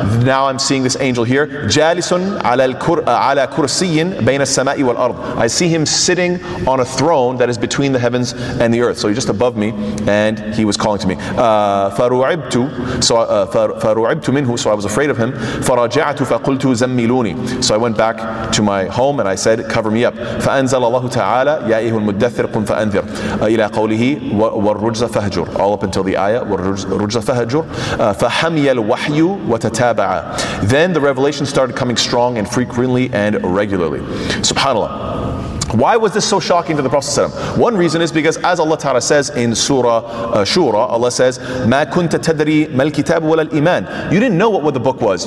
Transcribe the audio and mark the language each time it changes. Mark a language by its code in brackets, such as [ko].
[en] Now I'm seeing this angel here. [ar] جَالِسٌ عَلَى كُرْسِيٍ بَيْنَ السَّمَاءِ وَالْأَرْضِ, [en] I see him sitting on a throne that is between the heavens and the earth. So he's just above me, and he was calling to me. [ar] فَرُعِبْتُ مِنْهُ, [en] so I was afraid of him. [ar] فَرَجَعْتُ فَقُلْتُ زَمْ, [en] so I went back to my home and I said, cover me up. [ar] فأنزل الله تعالى يا أيها المدثر قم فأنذر إلى قوله والرجز فهجر, [en] all up until the ayah [ar] والرجز فهجر. فحمي الوحي وتتابع, [en] then the revelation started coming strong and frequently and regularly. SubhanAllah. Why was this so shocking to the Prophet ﷺ? One reason is because, as Allah Ta'ala says in Surah Shura, Allah says, [ar] مَا كُنْتَ تَدْرِي مَا الْكِتَابُ وَلَا الْإِيمَانِ, [en] you didn't know what the book was.